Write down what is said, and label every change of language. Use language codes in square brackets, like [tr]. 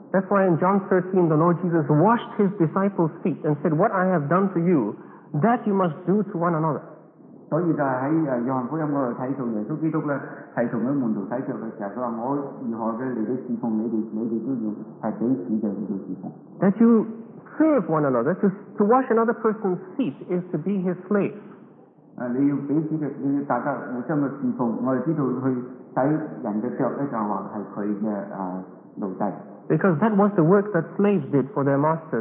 [en] That's why in John 13, the Lord Jesus washed his disciples' feet and said, "What I have done to you, that you must do to one another." [yue] 所以就喺《约翰福音》嗰度睇到耶稣基督咧，系同佢门徒洗脚嘅时候，佢话我如何嘅嚟到侍奉你哋，你哋都要系彼此嘅嚟到侍奉。 [en] That you serve one another, to wash another person's feet is to be his slave. [yue] 你要彼此嘅，你要大家互相嘅侍奉。我哋知道去洗人嘅脚咧，就话系佢嘅奴隶。 [en] Because that was the work that slaves did for their master.